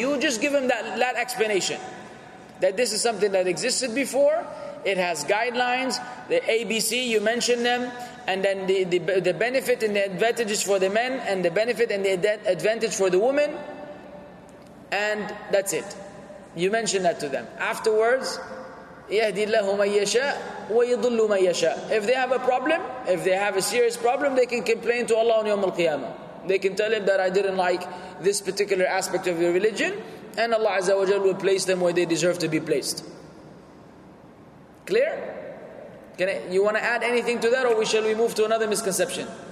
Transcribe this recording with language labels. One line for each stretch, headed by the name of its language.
English: You just give them that explanation, that this is something that existed before. It has guidelines, the ABC, you mention them, and then the benefit and the advantages for the men, and the benefit and the advantage for the woman. And that's it. You mention that to them. Afterwards,
Arabic: يَهْدِي اللَّهُ مَنْ يَشَاءُ وَيَضُلُّ مَنْ يَشَاءُ.
English: If they have a problem, if they have a serious problem, they can complain to Allah on Yawm Al-Qiyamah. They can tell Him that I didn't like this particular aspect of your religion, and Allah Azza wa Jal will place them where they deserve to be placed. Clear? You want to add anything to that, or shall we move to another misconception?